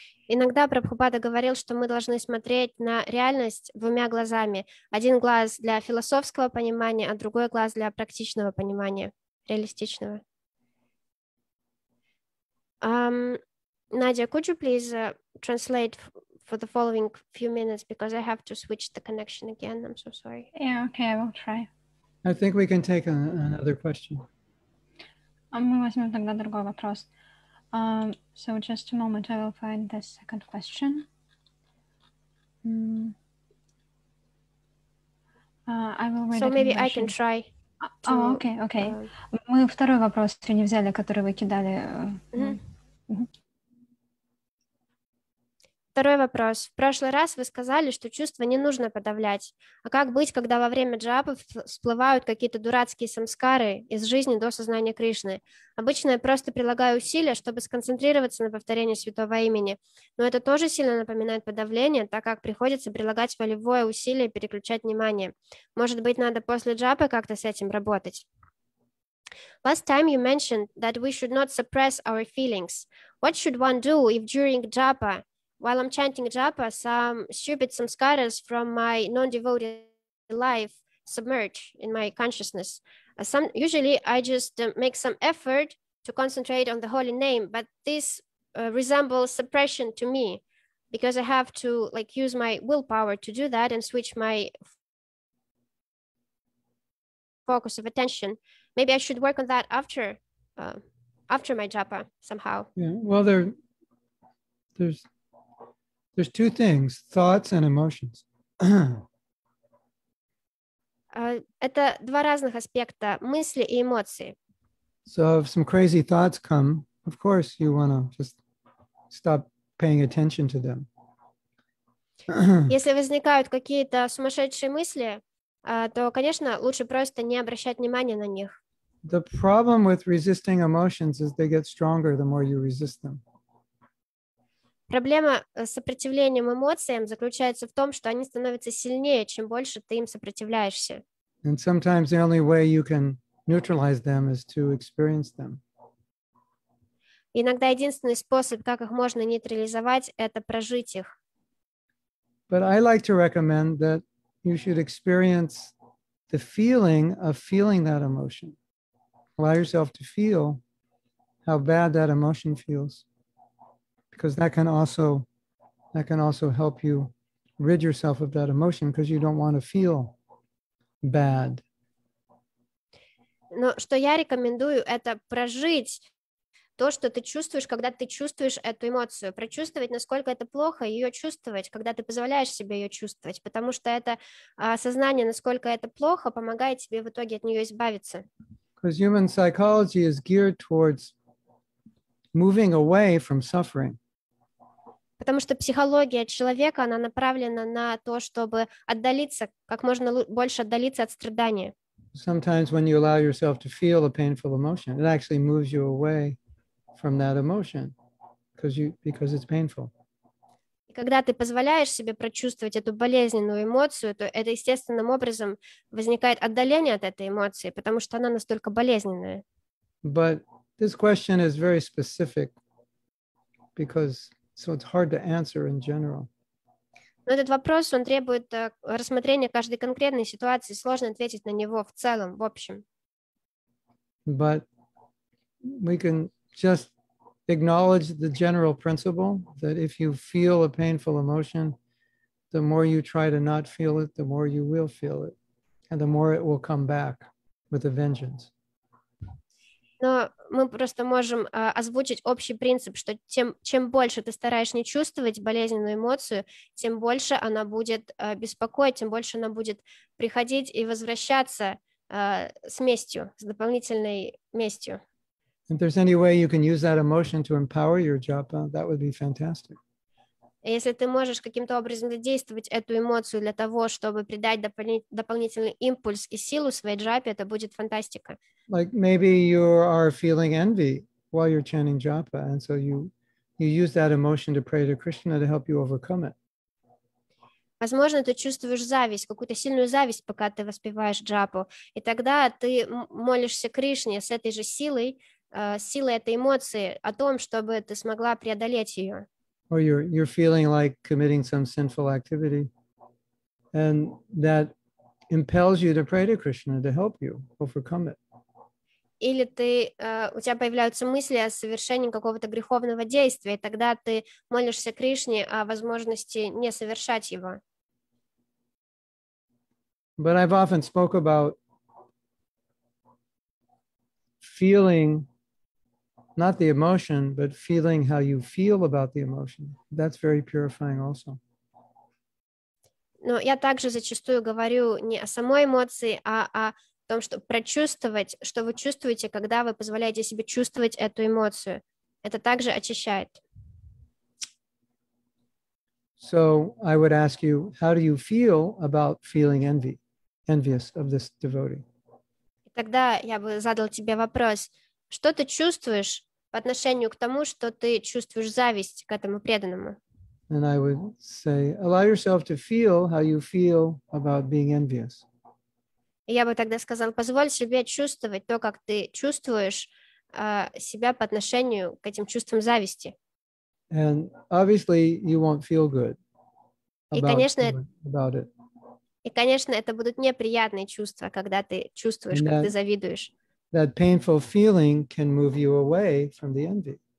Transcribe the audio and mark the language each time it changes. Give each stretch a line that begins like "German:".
Russian: Иногда Прабхупада говорил, что мы должны смотреть на реальность двумя глазами. Один глаз для философского понимания, а другой глаз для практичного понимания, реалистичного.
English: Nadia, could you please translate for the following few minutes, because I have to switch the connection again. I'm so sorry. Yeah, okay, I will try. I think we can take another question.
Russian: Мы возьмем тогда другой вопрос.
English: So just a moment, I will find the second question. I will read so maybe I can try. Okay.
Russian: Мы второй вопрос не взяли, который вы кидали. Второй вопрос. В прошлый раз вы сказали, что чувства не нужно подавлять. А как быть, когда во время джапов всплывают какие-то дурацкие самскары из жизни до сознания Кришны? Обычно я просто прилагаю усилия, чтобы сконцентрироваться на повторении святого имени. Но это тоже сильно напоминает подавление, так как приходится прилагать волевое усилие переключать внимание. Может быть, надо после джапы как-то с этим работать?
English: Last time you mentioned that we should not suppress our feelings. What should one do if during japa, while I'm chanting japa, some stupid samskaras from my non-devoted life submerge in my consciousness? Usually I just make some effort to concentrate on the holy name, but this resembles suppression to me because I have to like use my willpower to do that and switch my focus of attention. Maybe I should work on that after my japa somehow. Yeah. Well, there's two things: thoughts and emotions.
Russian: Это два разных аспекта: мысли и эмоции.
English: So if some crazy thoughts come, of course you want to just stop paying attention to them.
Russian: Если возникают какие-то сумасшедшие мысли, то, конечно, лучше просто не обращать внимания на них.
English: The problem with resisting emotions is they get stronger the more you resist them.
Russian: Проблема с сопротивлением эмоциям заключается в том, что они становятся сильнее, чем больше ты им сопротивляешься.
English: And sometimes the only way you can neutralize them is to experience them.
Russian: Иногда единственный способ, как их можно нейтрализовать, это прожить их.
English: But I like to recommend that you should experience the feeling of feeling that emotion. Allow yourself to feel how bad that emotion feels, because that can also help you rid yourself of that emotion, because you don't want to feel bad.
Russian: Но что я рекомендую, это прожить то, что ты чувствуешь, когда ты чувствуешь эту эмоцию, прочувствовать, насколько это плохо, ее чувствовать, когда ты позволяешь себе ее чувствовать, потому что это осознание, насколько это плохо, помогает тебе в итоге от нее избавиться.
English: Because human psychology is geared towards moving away from suffering.
Russian: Потому что психология человека, она направлена на то, чтобы отдалиться, как можно больше отдалиться от страдания.
English: Sometimes when you allow yourself to feel a painful emotion, it actually moves you away from that emotion because it's painful.
Russian: Когда ты позволяешь себе прочувствовать эту болезненную эмоцию, то это естественным образом возникает отдаление от этой эмоции, потому что она настолько болезненная.
English: But this question is very specific because so it's hard to answer in general.
Russian: Но этот вопрос, он требует рассмотрения каждой конкретной ситуации, сложно ответить на него в целом, в общем.
English: But we can just acknowledge the general principle that if you feel a painful emotion, the more you try to not feel it, the more you will feel it, and the more it will come back with a vengeance.
Russian: Но мы просто можем озвучить общий принцип, что чем больше ты стараешься не чувствовать болезненную эмоцию, тем больше она будет беспокоить, тем больше она будет приходить и возвращаться с местью, с дополнительной местью.
English: If there's any way you can use that emotion to empower your japa, that would be fantastic.
Russian: Если ты можешь каким-то образом задействовать эту эмоцию для того, чтобы придать дополнительный импульс и силу своей джапе, это будет фантастика.
English: Like maybe you are feeling envy while you're chanting japa, and so you use that emotion to pray to Krishna to help you overcome it.
Russian: Возможно, ты чувствуешь зависть, какую-то сильную зависть, пока ты воспеваешь джапу, и тогда ты молишься Кришне с этой же силой, силы этой эмоции о том, чтобы ты смогла преодолеть ее.
English: or you're feeling like committing some sinful activity, and that impels you to pray to Krishna to help you overcome it.
Russian: Или ты, у тебя появляются мысли о совершении какого-то греховного действия, и тогда ты молишься Кришне о возможности не совершать его.
English: But I've often spoke about feeling, not the emotion, but feeling how you feel about the emotion. That's very purifying also.
Russian: Но я также зачастую говорю не о самой эмоции, а о том, чтобы прочувствовать, что вы чувствуете, когда вы позволяете себе чувствовать эту эмоцию. Это также очищает.
English: So I would ask you, how do you feel about feeling envy, envious of this devotee?
Russian: И тогда я бы задал тебе вопрос, что ты чувствуешь по отношению к тому, что ты чувствуешь зависть к этому преданному?
English: And I would say, allow yourself to feel how you feel about being envious.
Russian: Я бы тогда сказал, позволь себе чувствовать то, как ты чувствуешь себя по отношению к этим чувствам зависти.
English: And obviously you won't feel good about it.
Russian: И, конечно, это будут неприятные чувства, когда ты чувствуешь, как ты завидуешь.
English: That painful feeling can move you away from the envy.